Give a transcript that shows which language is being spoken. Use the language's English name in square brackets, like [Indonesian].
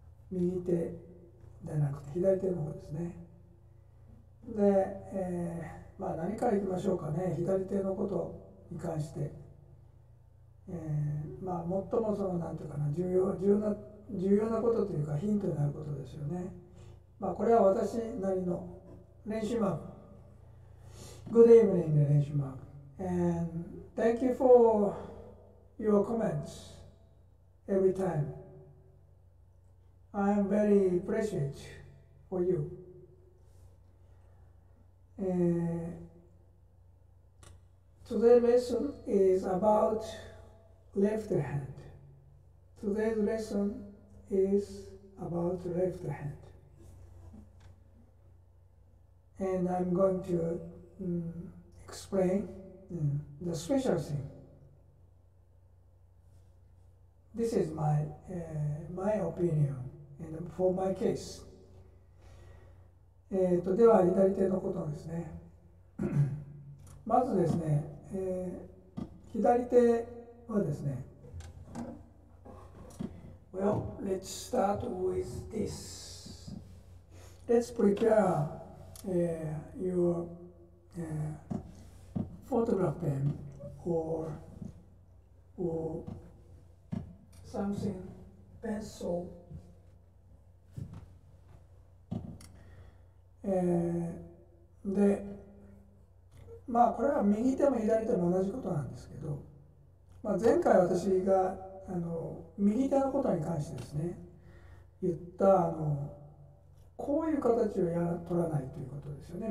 [Japanese] 右手ではなくて左手の方ですね。で、何からいきましょうかね。左手のことに関して、最もその何ていうかな、重要なことというかヒントになることですよね。これは私なりの練習マーク。 [English] Good evening, 練習マーク。 And thank you for your comments every time. I am very appreciate for you. Today's lesson is about left hand. Today's lesson is about left hand. And I'm going to explain the special thing. This is my my opinion and for my case. [Japanese] では左手のことですね。まずですね、左手はですね、 [English] Well, let's start with this. Let's prepare your photograph pen or something pencil. [Japanese] でまあこれは右手も左手も同じことなんですけど、まあ、前回私が右手のことに関してですね言ったこういう形を取らないということですよね。